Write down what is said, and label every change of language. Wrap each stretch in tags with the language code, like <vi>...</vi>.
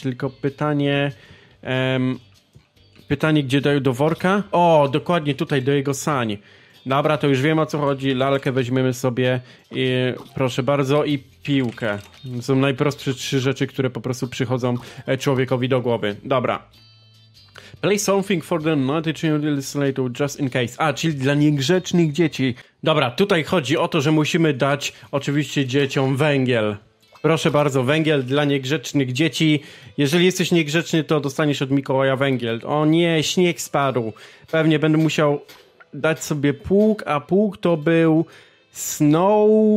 <pl>Tylko pytanie... pytanie, gdzie daję do worka? O, dokładnie tutaj, do jego sań. Dobra, to już wiem, o co chodzi. Lalkę weźmiemy sobie. I, proszę bardzo, i piłkę. To są najprostsze trzy rzeczy, które po prostu przychodzą człowiekowi do głowy. Dobra.</pl> <en>Play something for the naughty children's later, just in case.</en> <pl>A, czyli dla niegrzecznych dzieci. Dobra, tutaj chodzi o to, że musimy dać oczywiście dzieciom węgiel. Proszę bardzo, węgiel dla niegrzecznych dzieci. Jeżeli jesteś niegrzeczny, to dostaniesz od Mikołaja węgiel. O nie, śnieg spadł. Pewnie będę musiał dać sobie pług, a pług to był snow...</pl>